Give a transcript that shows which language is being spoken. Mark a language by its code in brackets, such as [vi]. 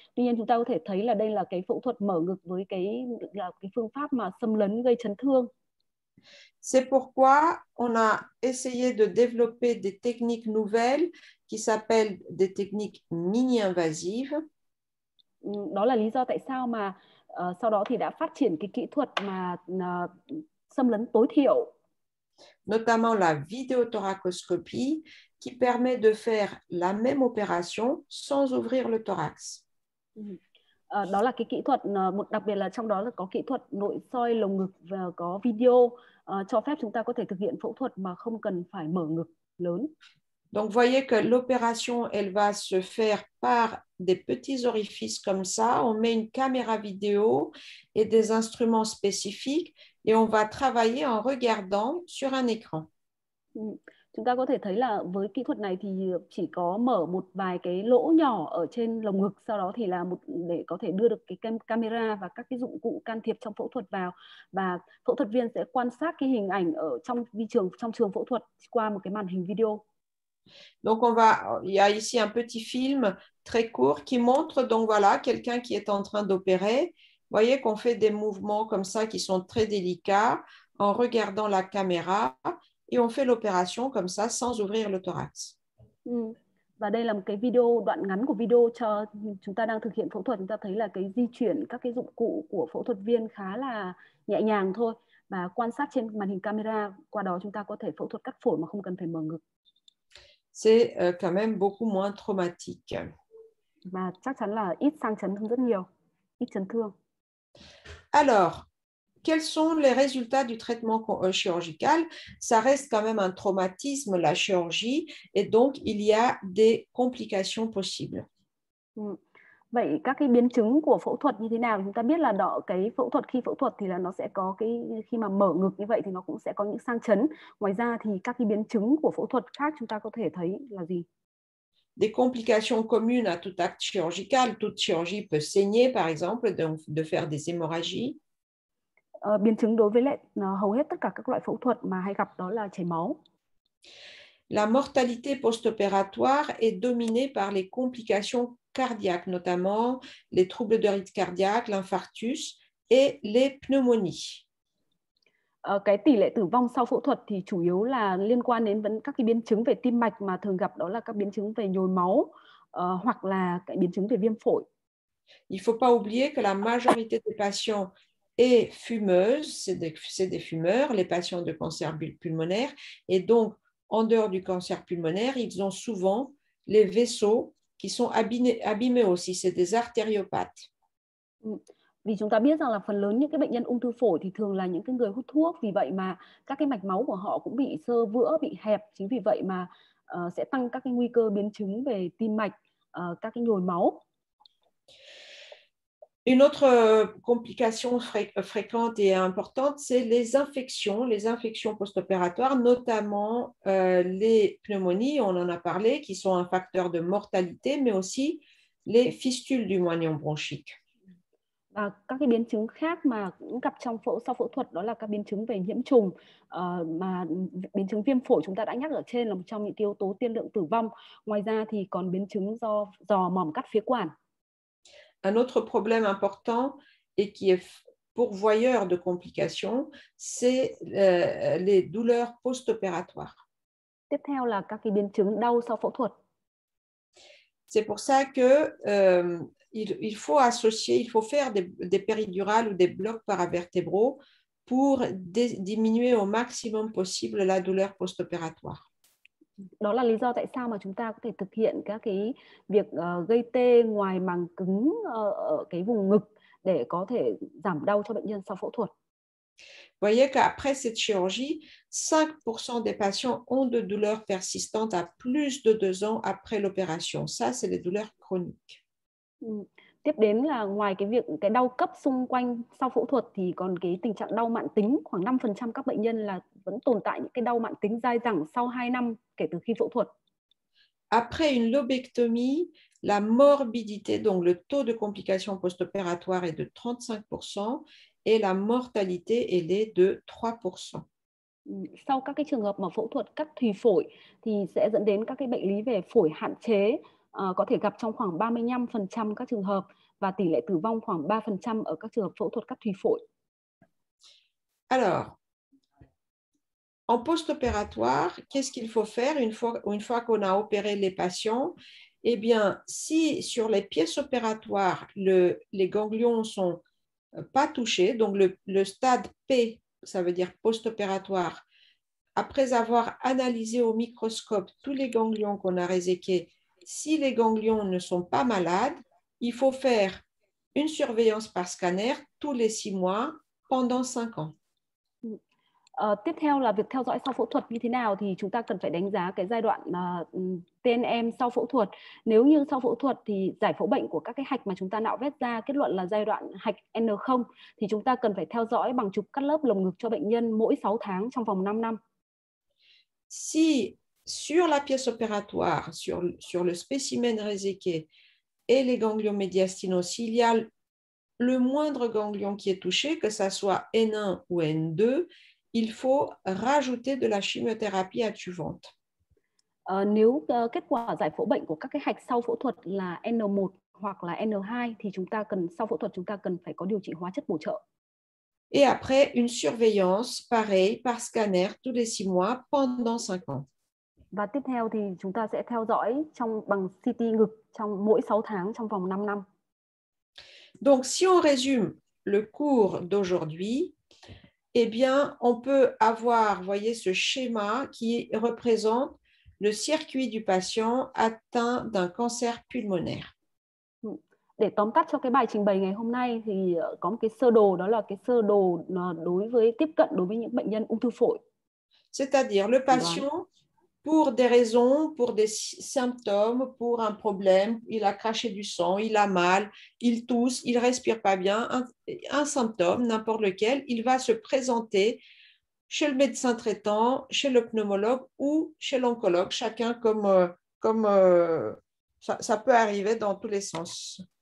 [vi] Tuy nhiên chúng ta có thể thấy là đây là cái phẫu thuật mở ngực với là cái phương pháp mà xâm lấn gây chấn thương. [fr] C'est pourquoi on a essayé de développer des techniques nouvelles qui s'appellent des techniques mini-invasives. [vi] Đó là lý do tại sao mà sau đó thì đã phát triển cái kỹ thuật mà xâm lấn tối thiểu. [fr] Notamment la vidéothoracoscopie qui permet de faire la même opération sans ouvrir le thorax. [vi] Đó là cái kỹ thuật một đặc biệt là trong đó là có kỹ thuật nội soi lồng ngực và có video cho phép chúng ta có thể thực hiện phẫu thuật mà không cần phải mở ngực lớn. [fr] Donc, vous voyez que l'opération, elle va se faire par des petits orifices comme ça. On met une caméra vidéo et des instruments spécifiques et on va travailler en regardant sur un écran. [vi] Chúng ta có thể thấy là với kỹ thuật này thì chỉ có mở một vài cái lỗ nhỏ ở trên lồng ngực, sau đó thì là một để có thể đưa được cái camera và các cái dụng cụ can thiệp trong phẫu thuật vào và phẫu thuật viên sẽ quan sát cái hình ảnh ở trong trường phẫu thuật qua một cái màn hình video. [fr] Donc il y a ici un petit film très court qui montre donc voilà quelqu'un qui est en train d'opérer voyez qu'on fait des mouvements comme ça qui sont très délicats en regardant la caméra et on fait l'opération comme ça sans ouvrir le thorax. [vi] Và đây là một cái video, đoạn ngắn của video cho chúng ta đang thực hiện phẫu thuật. Chúng ta thấy là cái di chuyển các cái dụng cụ của phẫu thuật viên khá là nhẹ nhàng thôi. Và quan sát trên màn hình camera, qua đó chúng ta có thể phẫu thuật cắt phổi mà không cần phải mở ngực. [fr] C'est quand même beaucoup moins traumatique. [vi] Và chắc chắn là ít sang chấn hơn rất nhiều, ít chấn thương. [fr] Alors, quels sont les résultats du traitement chirurgical? Ça reste quand même un traumatisme, la chirurgie, et donc il y a des complications possibles. [vi] Vậy các cái biến chứng của phẫu thuật như thế nào? Chúng ta biết là đó, cái phẫu thuật khi phẫu thuật thì là nó sẽ có cái khi mà mở ngực như vậy thì nó cũng sẽ có những sang chấn. Ngoài ra thì các cái biến chứng của phẫu thuật khác chúng ta có thể thấy là gì? [fr] Des complications communes à tout acte chirurgical. Toute chirurgie peut saigner, par exemple, de faire des hémorragies. [vi] Biến chứng đối với lại hầu hết tất cả các loại phẫu thuật mà hay gặp đó là chảy máu. [fr] La mortalité post-opératoire est dominée par les complications cardiaque notamment les troubles de rythme cardiaque, l'infarctus et les pneumonies. [vi] Cái tỷ lệ tử vong sau phẫu thuật thì chủ yếu là liên quan đến vấn các cái biến chứng về tim mạch mà thường gặp đó là các biến chứng về nhồi máu hoặc là cái biến chứng về viêm phổi. [fr] Il ne faut pas oublier que la majorité des patients est fumeuse, c'est des fumeurs, les patients de cancer pulmonaire, et donc en dehors du cancer pulmonaire, ils ont souvent les vaisseaux qui sont abîmés aussi, c'est des artériopathes. [vi] Vì chúng ta biết rằng là phần lớn những cái bệnh nhân ung thư phổi thì thường là những cái người hút thuốc, vì vậy mà các cái mạch máu của họ cũng bị xơ vữa, bị hẹp, chính vì vậy mà sẽ tăng các cái nguy cơ biến chứng về tim mạch, các cái nhồi máu. [fr] Une autre complication fréquente et importante, c'est les infections post-opératoires, notamment les pneumonies, on en a parlé, qui sont un facteur de mortalité, mais aussi les fistules du moignon bronchique. [vi] Và các cái biến chứng khác mà cũng gặp trong phẫu sau phẫu thuật đó là các biến chứng về nhiễm trùng mà biến chứng viêm phổi chúng ta đã nhắc ở trên là một trong những yếu tố tiên lượng tử vong. Ngoài ra thì còn biến chứng do dò mỏm cắt phế quản. [fr] Un autre problème important et qui est pourvoyeur de complications, c'est les douleurs post-opératoires. [vi] Tiếp theo là các cái biến chứng đau sau phẫu thuật. [fr] C'est pour ça que il faut associer, il faut faire des péridurales ou des blocs paravertébraux pour diminuer au maximum possible la douleur post-opératoire. [vi] Đó là lý do tại sao mà chúng ta có thể thực hiện các cái việc gây tê ngoài màng cứng ở cái vùng ngực để có thể giảm đau cho bệnh nhân sau phẫu thuật. [fr] Voyez qu'après cette chirurgie, 5% des patients ont de douleurs persistantes à plus de 2 ans après l'opération. Ça, c'est les douleurs chroniques. [vi] Tiếp đến là ngoài cái việc cái đau cấp xung quanh sau phẫu thuật thì còn cái tình trạng đau mạn tính, khoảng 5% các bệnh nhân là vẫn tồn tại những cái đau mạn tính dai dẳng sau 2 năm kể từ khi phẫu thuật. [fr] Après une lobectomie, la morbidité, donc le taux de complications post-opératoires est de 35% et la mortalité elle est de 3%. [vi] Sau các cái trường hợp mà phẫu thuật cắt thùy phổi thì sẽ dẫn đến các cái bệnh lý về phổi hạn chế có thể gặp trong khoảng 35% các trường hợp và tỷ lệ tử vong khoảng 3% ở các trường hợp phẫu thuật cắt thùy phổi. [fr] Alors, en post-opératoire, qu'est-ce qu'il faut faire une fois qu'on a opéré les patients? Eh bien, si sur les pièces opératoires, les ganglions sont pas touchés, donc le stade P, ça veut dire post-opératoire, après avoir analysé au microscope tous les ganglions qu'on a réséqués, si les ganglions ne sont pas malades, il faut faire une surveillance par scanner tous les 6 mois pendant 5 ans. [vi] Tiếp theo là việc theo dõi sau phẫu thuật như thế nào thì chúng ta cần phải đánh giá cái giai đoạn TNM sau phẫu thuật. Nếu như sau phẫu thuật thì giải phẫu bệnh của các cái hạch mà chúng ta nạo vét ra kết luận là giai đoạn hạch N0 thì chúng ta cần phải theo dõi bằng chụp cắt lớp lồng ngực cho bệnh nhân mỗi 6 tháng trong vòng 5 năm. [fr] Si sur la pièce opératoire, sur le spécimen réséqué et les ganglions médiastinaux, s'il y a le moindre ganglion qui est touché, que ce soit N1 ou N2, il faut rajouter de la chimiothérapie adjuvante. [vi] Nếu kết quả giải phẫu bệnh của các cái hạch sau phẫu thuật là N1 hoặc là N2 thì chúng ta cần, sau phẫu thuật chúng ta cần phải có điều trị hóa chất bổ trợ. [fr] Et après, une surveillance pareil par scanner tous les 6 mois pendant 5 ans. [vi] Và tiếp theo thì chúng ta sẽ theo dõi trong bằng CT ngực trong mỗi 6 tháng trong vòng 5 năm. [fr] Donc si on résume le cours d'aujourd'hui, eh bien, on peut avoir, voyez, ce schéma qui représente le circuit du patient atteint d'un cancer pulmonaire. [vi] Để tóm tắt cho cái bài trình bày ngày hôm nay thì có một cái sơ đồ, đó là cái sơ đồ đối với tiếp cận đối với những bệnh nhân ung thư phổi. [fr] C'est-à-dire le patient, pour des raisons, pour des symptômes, pour un problème, il a craché du sang, il a mal, il tousse, il respire pas bien, un symptôme, n'importe lequel, il va se présenter chez le médecin traitant, chez le pneumologue ou chez l'oncologue, chacun comme ça peut arriver dans tous les sens.